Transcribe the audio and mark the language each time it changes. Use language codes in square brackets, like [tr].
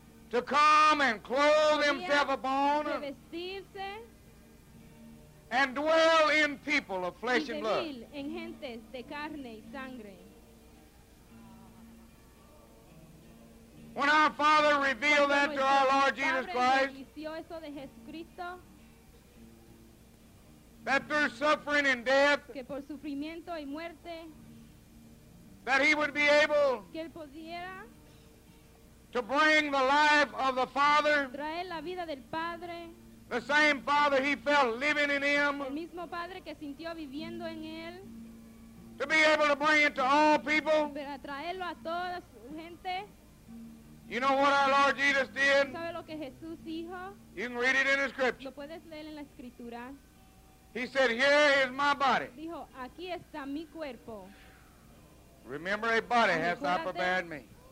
[en] to come and clothe himself upon, [es] de vestirse, [en] and dwell in people of flesh and blood. [es] En gentes de carne y sangre. [en] When our Father revealed that to our Lord Jesus Christ, [es] eso de Jesucristo, [en] that through suffering and death, [es] que por sufrimiento y muerte, [en] that he would be able, [es] que él pudiera, [en] to bring the life of the Father, [es] traer la vida del Padre, [en] the same Father he felt living in him, [es] el mismo padre que sintió viviendo en él, [en] to be able to bring it to all people, [es] para traerlo a toda su gente. [en] You know what our Lord Jesus did? [es] ¿Sabe lo que Jesús dijo? [en] You can read it in the scripture. [es] Lo puedes leer en la escritura. [en] He said, here is my body. [es] Dijo, aquí está mi cuerpo. [en] Remember, a body has not prepared me.